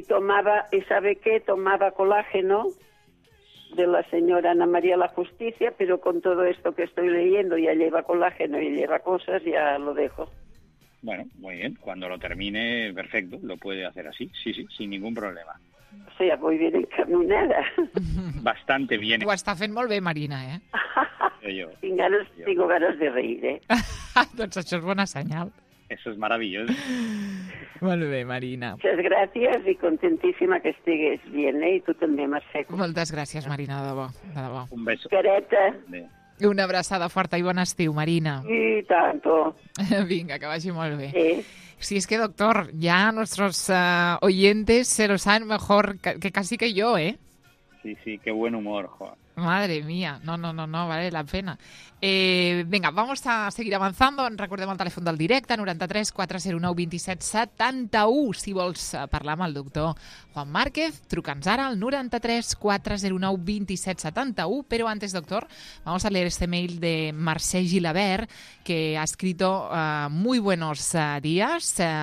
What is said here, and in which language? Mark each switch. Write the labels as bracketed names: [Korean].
[Spanish] Tomaba colágeno de la señora Ana María La Justicia, pero con todo esto que estoy leyendo, ya lleva colágeno y lleva cosas, ya lo dejo. Bueno, muy bien. Cuando lo termine, perfecto, lo puede hacer así. Sí, sí, sin ningún problema. O sea, muy bien encaminada. Bastante bien. [Catalan] Ho està fent molt bé, Marina, ¿eh? Tinc ganes de reír, ¿eh? Doncs això és bona senyal. [Spanish] Eso es maravilloso. [Catalan] Molt bé, Marina. [Spanish] Muchas gracias y contentísima que [Catalan] estigues [Spanish] bien, ¿eh? Y tú también, Mercè. [Catalan] Moltes gràcies, Marina, de debò. [Spanish] Un beso. Careta. [Catalan] I una abraçada forta i bon estiu, Marina. [Spanish] Y tanto. [Catalan] Vinga, que vagi molt bé. Sí. [Spanish] Si es que, doctor, ya nuestros oyentes se lo saben mejor que casi que yo, ¿eh? Sí, sí, qué buen humor, Juan. Madre mía, no, vale la pena. Venga, vamos a seguir avanzando. [Catalan] Recordem el telèfon del directe, 93-409-2771. Si vols parlar amb el doctor Juan Márquez, truca'ns ara al 93-409-2771. [Spanish] Però antes, doctor, vamos a leer este mail de Mercè Gilabert, que ha escrito muy buenos días.